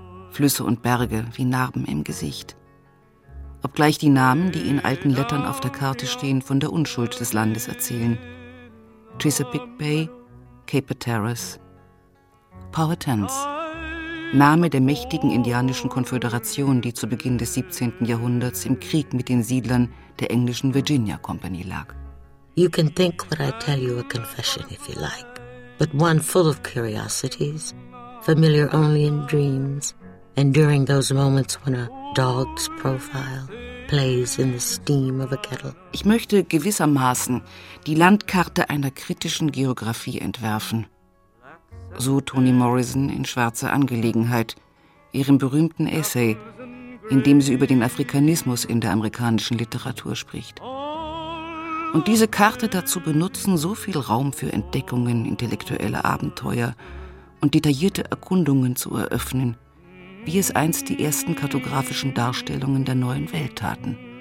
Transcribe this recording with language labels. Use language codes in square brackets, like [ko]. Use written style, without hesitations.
[de] Flüsse und Berge wie Narben im Gesicht. Obgleich die Namen, die in alten Lettern auf der Karte stehen, von der Unschuld des Landes erzählen. Chesapeake Bay, Cape Hatteras, Powhatans. Name der mächtigen indianischen Konföderation, die zu Beginn des 17. Jahrhunderts im Krieg mit den Siedlern der englischen Virginia Company lag. [en] You can think what I tell you a confession if you like, but one full of curiosities, familiar only in dreams. And during those moments when a dog's profile plays in the steam of a kettle. [de] Ich möchte gewissermaßen die Landkarte einer kritischen Geographie entwerfen. So Toni Morrison in Schwarze Angelegenheit, ihrem berühmten Essay, in dem sie über den Afrikanismus in der amerikanischen Literatur spricht. Und diese Karte dazu benutzen, so viel Raum für Entdeckungen, intellektuelle Abenteuer und detaillierte Erkundungen zu eröffnen, wie es einst die ersten kartografischen Darstellungen der neuen Welt taten.